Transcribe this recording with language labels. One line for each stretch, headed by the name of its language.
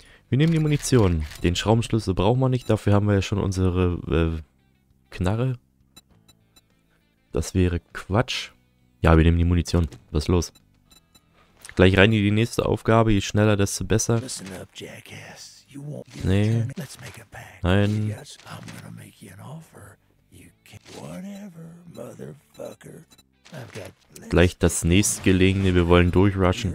German: Wir nehmen die Munition. Den Schraubenschlüssel brauchen wir nicht. Dafür haben wir ja schon unsere Knarre. Das wäre Quatsch. Ja, wir nehmen die Munition. Was ist los? Gleich rein in die nächste Aufgabe. Je schneller, desto besser.
English: Listen up, Jackass. You won't get a
German: Nee.
English: turn. Let's make a pact.
German: Nein.
English: Yes, I'm gonna make you an offer. You can whatever, motherfucker. I've got
German: Gleich das nächstgelegene. Wir wollen durchrushen.